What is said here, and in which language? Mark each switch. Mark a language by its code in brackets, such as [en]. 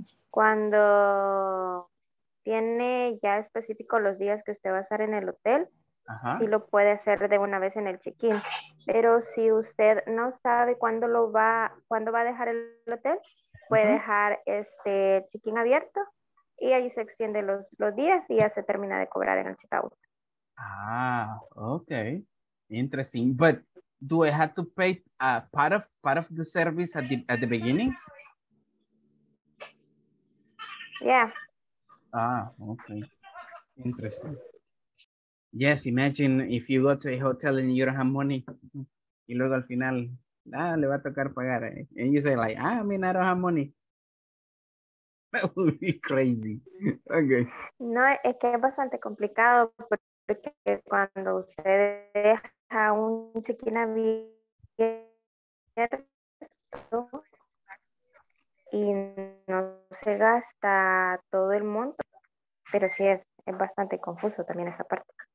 [es] Cuando tiene ya específico los días que usted va a estar en el hotel, ajá, sí lo puede hacer de una vez en el check-in. Pero si usted no sabe cuándo va a dejar el hotel, puede dejar este check-in abierto. Y ahí se extiende los días y ya se termina de cobrar en el checkout. [en] Ah, okay. Interesting. But do I have to pay part of the service at the beginning? Yeah. Ah, okay. Interesting. Yes, imagine if you go to a hotel and you don't have money. [es] Y luego al final, le va a tocar pagar. [en] And you say like, I don't have money. That would be crazy. Okay. [es] No, es que es bastante complicado porque cuando usted deja un check-in abierto y no se gasta todo el monto, pero sí es bastante confuso también esa parte.